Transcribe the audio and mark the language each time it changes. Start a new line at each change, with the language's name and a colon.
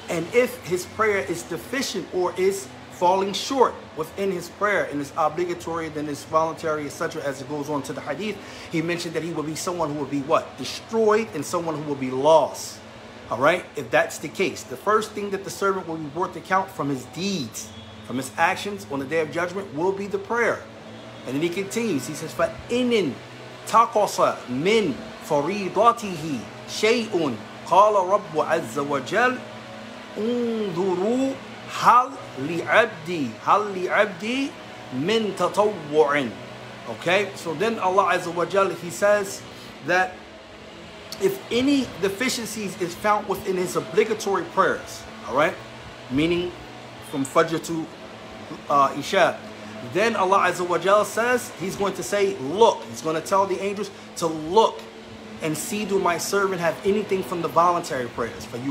English: And if his prayer is deficient or is falling short within his prayer, and it's obligatory, then it's voluntary, etc. As it goes on to the hadith, he mentioned that he will be someone who will be what? Destroyed, and someone who will be lost. All right, if that's the case, the first thing that the servant will be brought to account from his deeds, from his actions on the day of judgment, will be the prayer. And then he continues, he says,
Arabic: فَإِنِنْ تَقَصَ مِنْ فَرِيضَتِهِ شَيْءٌ قَالَ رَبُّ عَزَّ وَجَلْ أُنْذُرُوا هَلْ لِعَبْدِي مِنْ تَطَوُّعٍ.
English: Okay, so then Allah Azza wa Jal, he says that if any deficiencies is found within his obligatory prayers, all right, meaning from Fajr to Isha, then Allah Azza wa Jal says, he's going to say, look, he's going to tell the angels to look and see, do my servant have anything from the voluntary prayers?